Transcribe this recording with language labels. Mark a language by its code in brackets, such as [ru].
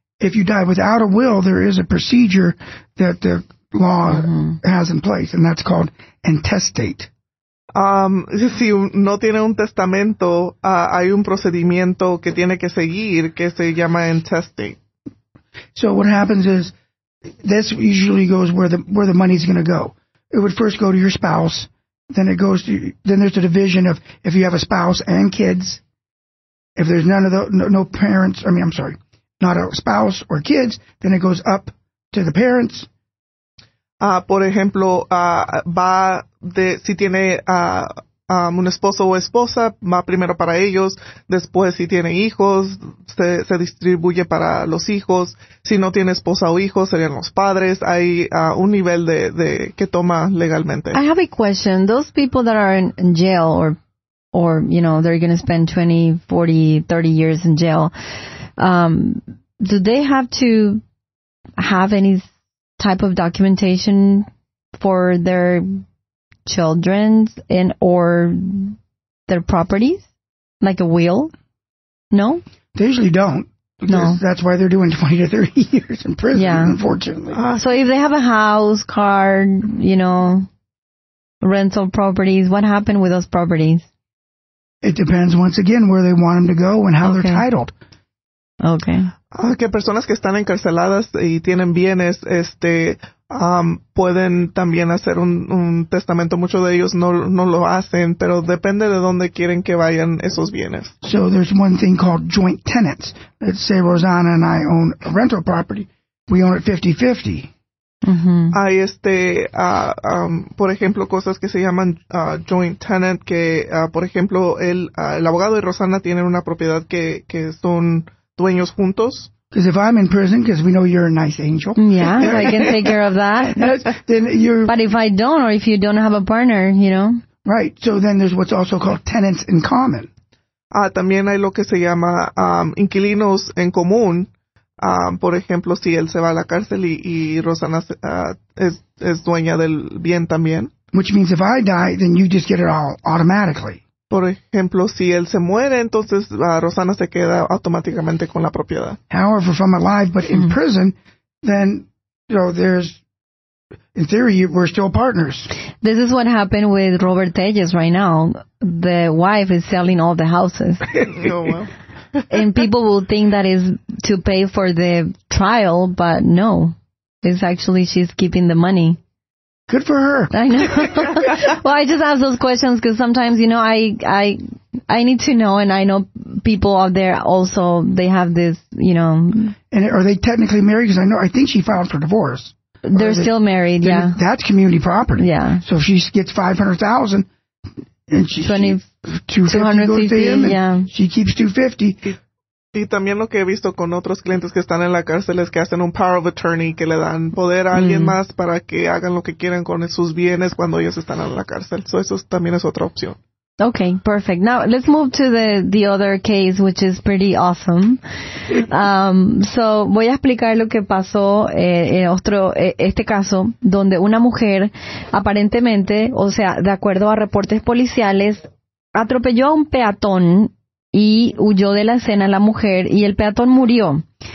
[en] If you die without a will, there is a procedure that the law has in place, and that's called intestate. [es] Si no tiene un testamento, hay un procedimiento que tiene que seguir que se llama intestate. [en] So what happens is, this usually goes where the money is going to go. It would first go to your spouse, then there's a division of if you have a spouse and kids. If there's none of the no parents, I mean, I'm sorry, not a spouse or kids, then it goes up to the parents. [es] Por ejemplo, va de si tiene un esposo o esposa, va primero para ellos, después si tiene hijos, se distribuye para los hijos, si no tiene esposa o hijos, serían los padres, hay un nivel de que toma legalmente. [en] I have a question. Those people that are in jail or you know, they're going to spend 20, 40, 30 years in jail, do they have to have any type of documentation for their children's and or their properties, like a will? No? They usually don't. No. That's why they're doing 20 to 30 years in prison, yeah. Unfortunately. So if they have a house, car, you know, rental properties, what happened with those properties? It depends, once again, where they want them to go and how they're titled. Okay. [es] Que personas que están encarceladas y tienen bienes, pueden también hacer un testamento. Muchos de ellos no lo hacen, pero depende de dónde quieren que vayan esos bienes. [en] So there's one thing called joint tenants. Let's say Rosanna and I own a rental property. We own it 50-50. Mm-hmm. [es] Hay por ejemplo, cosas que se llaman joint tenant, que, por ejemplo, el abogado y Rosanna tienen una propiedad que son dueños juntos. [en] Because if I'm in prison, because we know you're a nice angel. Yeah, if I can take care of that. Then you're, but if I don't, or if you don't have a partner, you know. Right, so then there's what's also called tenants in common. [es] También hay lo que se llama inquilinos en común. Por ejemplo, si él se va a la cárcel y Rosanna es dueña del bien también. [en] Which means if I die, then you just get it all automatically. [es] Por ejemplo, si él se muere, entonces Rosanna se queda automáticamente con la propiedad. [en] However, if I'm alive but in prison, then, you know, there's, in theory, we're still partners. This is what happened with Robert Tellez right now. The wife is selling all the houses. Oh, well. And people will think that is to pay for the trial, but no. It's actually she's keeping the money. Good for her. I know. Well, I just ask those questions because sometimes, you know, I need to know, and I know people out there also, they have this, you know. And are they technically married? Because I think she filed for divorce. They're still married, yeah. That's community property. Yeah. So if she gets $500,000 and she $250,000, yeah. She keeps $250,000. [es] Y también lo que he visto con otros clientes que están en la cárcel es que hacen un power of attorney, que le dan poder a alguien más para que hagan lo que quieran con sus bienes cuando ellos están en la cárcel. So eso también es otra opción. [en] Okay, perfect. Now, let's move to the other case, which is pretty awesome. [es] So voy a explicar lo que pasó en este caso, donde una mujer, aparentemente, o sea, de acuerdo a reportes policiales, atropelló a un peatón y huyó de la escena la mujer, y el peatón murió.